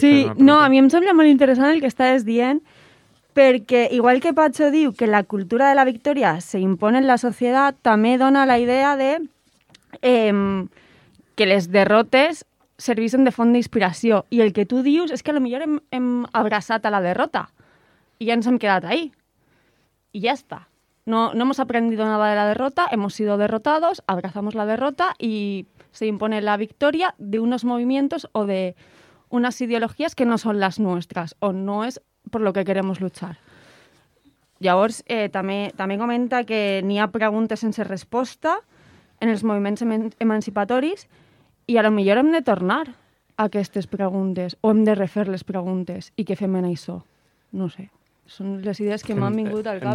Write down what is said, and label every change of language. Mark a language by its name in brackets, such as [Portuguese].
[Catalan] Sí, no, a mi em sembla molt interessant el que estàs dient, perquè igual que Pacho diu que la cultura de la victòria [Spanish] se impone [Catalan] en la societat, també dona la idea de que les derrotes serveixen de font d'inspiració. I el que tu dius és que potser hem abraçat a la derrota i ja ens hem quedat ahí. I ja està. [Spanish] No hemos aprendido nada de la derrota, hemos sido derrotados, abrazamos la derrota y se impone la victoria de unos movimientos o de unas ideologías que no son las nuestras o no es por lo que queremos luchar. [Catalan] Llavors, també comenta que n'hi ha preguntes sense resposta en els moviments emancipatoris i a lo millor hem de tornar a aquestes preguntes o hem de refer les preguntes i què fem en això. No ho sé. Són les idees que m'han vingut al cap.